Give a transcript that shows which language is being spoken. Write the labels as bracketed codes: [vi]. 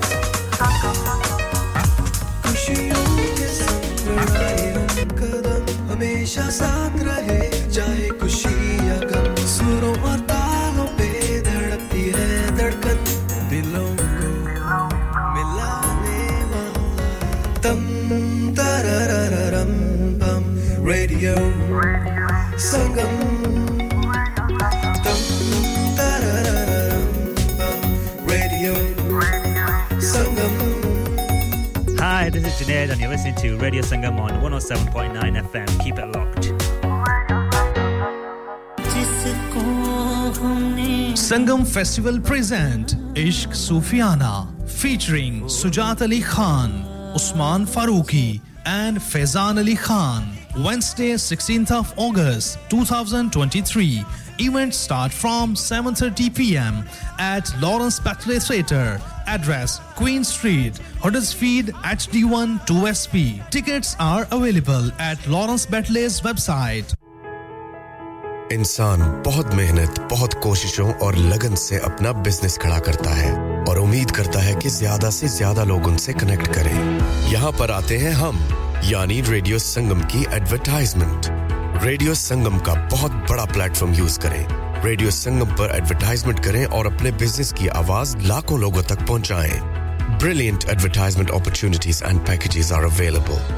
[hi] खुशियों के संग आए कदम हमेशा साथ रहे चाहे खुशी या गम सुरों और तालों पे धड़कती है धड़कन दिलों को मिलाने वाला तम तररररम बम रेडियो संगम तम तररररम बम radio Sangam. [en] Hi, this is Junaid and you're listening to Radio Sangam on 107.9 FM. Keep it locked. Sangam Festival present Ishq Sufiana featuring Sujat Ali Khan, Usman Farooqi and Faizan Ali Khan. Wednesday 16th of August 2023. Event start from 7:30 p.m. at Lawrence Battley Theatre. Address Queen Street, Huddersfield HD1 2SP. Tickets are available at Lawrence Battley's website. [hi] इंसान बहुत मेहनत बहुत कोशिशों और लगन से अपना business खड़ा करता है और उम्मीद करता है कि ज्यादा से ज्यादा लोग उनसे कनेक्ट करें. यहां पर आते हैं हम यानी रेडियो संगम की एडवर्टाइजमेंट. रेडियो संगम का बहुत बड़ा प्लेटफॉर्म यूज करें. रेडियो संगम पर एडवर्टाइजमेंट करें और अपने बिजनेस की आवाज लाखों लोगों तक पहुंचाएं. [en] Brilliant advertisement opportunities and packages are available.